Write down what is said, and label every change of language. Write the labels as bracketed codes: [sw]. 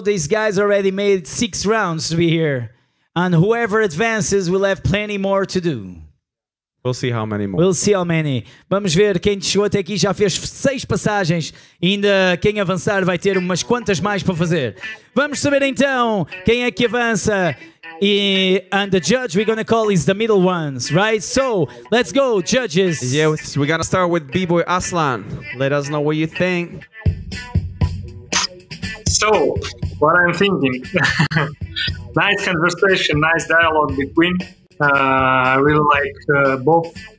[en] These guys already made 6 rounds to be here. And whoever advances will have plenty more to do. We'll see how many more. We'll see how many. [pt] Vamos ver quem chegou até aqui já fez 6 passagens. Ainda quem avançar vai ter umas quantas mais para fazer. Vamos saber então quem é que avança. [en] And the judge we're gonna call is the middle ones, right? So let's go, judges. Yeah, we're gonna start with B-boy Aslan. Let us know what you think. So what I'm thinking, nice conversation, nice dialogue between I really like both.